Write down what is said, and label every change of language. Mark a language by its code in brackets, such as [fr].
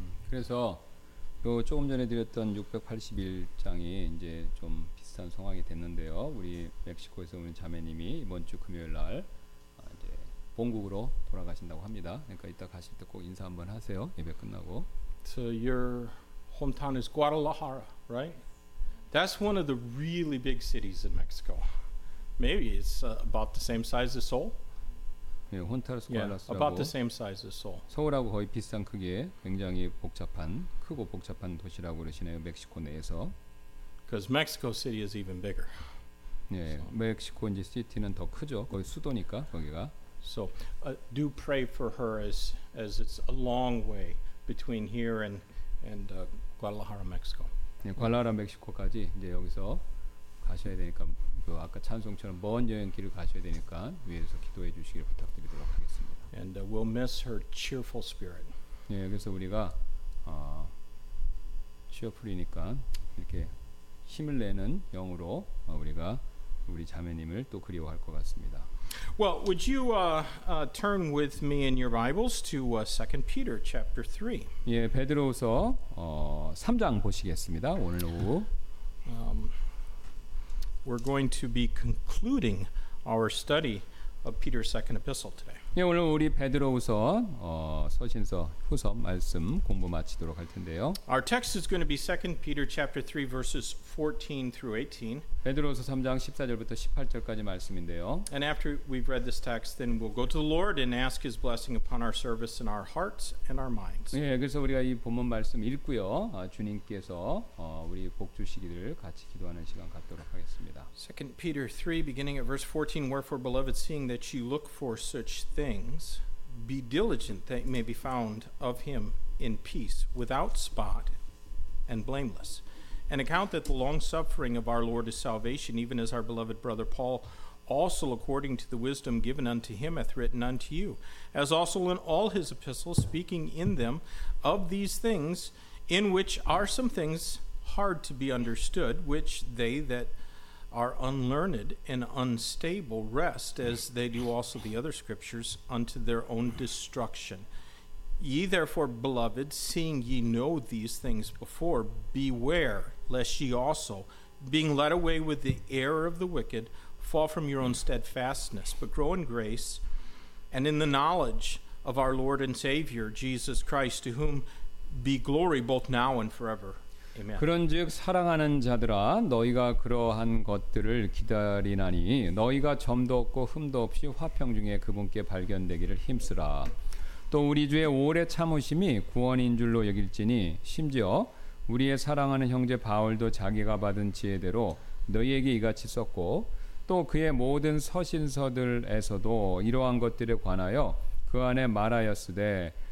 [ko] 그래서 요 조금 전에 드렸던 681장이 이제 좀 비슷한 상황이 됐는데요. 우리 멕시코에서 오는 자매님이 이번 주 금요일 날 본국으로 돌아가신다고 합니다. 그러니까 이따 가실 때 꼭 인사 한번 하세요. 예배 끝나고. [en] So your hometown is Guadalajara, right? That's one of the really big cities in Mexico. Maybe it's about the same size as Seoul. [ko] 네, 혼타르스 구알라스라고. [en] Yeah, about the same size as Seoul. [ko] 서울하고 거의 비슷한 크기에 굉장히 복잡한 크고 복잡한 도시라고 그러시네요. 멕시코 내에서. [en] Because Mexico City is even bigger. [ko] 네, 멕시코 이제 시티는 더 크죠. 거의 수도니까 거기가. [en] So do pray for her as it's a long way between here and Guadalajara, Mexico. [ko] 네, 과라라 멕시코까지 이제 여기서 가셔야 되니까 그 아까 찬송처럼 먼 여행 길을 가셔야 되니까 위에서 기도해 주시기를 부탁드리도록 하겠습니다. [en] And we'll miss her cheerful spirit. [ko] 네, 그래서 우리가 cheerful이니까 이렇게 힘을 내는 영으로 우리가 우리 자매님을 또 그리워할 것 같습니다. [en] Well, would you turn with me in your Bibles to 2 Peter chapter 3? [ko] 예, 베드로후서 3장 보시겠습니다. 오늘 오후. [en] We're going to be concluding our study of Peter's second epistle today. [ko] 예, 오늘 우리 베드로후서 서신서 후서 말씀 공부 마치도록 할 텐데요. [en] Our text is going to be 2 Peter chapter 3 verses 14 through 18. [ko] 베드로후서 3장 14절부터 18절까지 말씀인데요. [en] And after we've read this text, then we'll go to the Lord and ask his blessing upon our service in our hearts and our minds. [ko] 예, 그래서 우리가 이 본문 말씀 읽고요. 주님께서 우리 복 주시기를 같이 기도하는 시간 갖도록 하겠습니다. [en] 2 Peter 3 beginning at verse 14, wherefore beloved, seeing that you look for such things, be diligent that you may be found of him in peace, without spot and blameless. And account that the long suffering of our Lord is salvation, even as our beloved brother Paul also according to the wisdom given unto him hath written unto you, as also in all his epistles, speaking in them of these things, in which are some things hard to be understood, which they that are unlearned and unstable rest, as they do also the other scriptures, unto their own destruction. Ye therefore, beloved, seeing ye know these things before, beware, lest ye also, being led away with the error of the wicked, fall from your own steadfastness, but grow in grace and in the knowledge of our Lord and Savior, Jesus Christ, to whom be glory both now and forever. Amen. [ko] 그런즉 사랑하는 자들아, 너희가 그러한 것들을 기다리나니 너희가 점도 없고 흠도 없이 화평 중에 그분께 발견되기를 힘쓰라. 또 우리 주의 오래 참으심이 구원인 줄로 여길지니, 심지어 우리의 사랑하는 형제 바울도 자기가 받은 지혜대로 너희에게 이같이 썼고, 또 그의 모든 서신서들에서도 이러한 것들에 관하여 그 안에 말하였으되,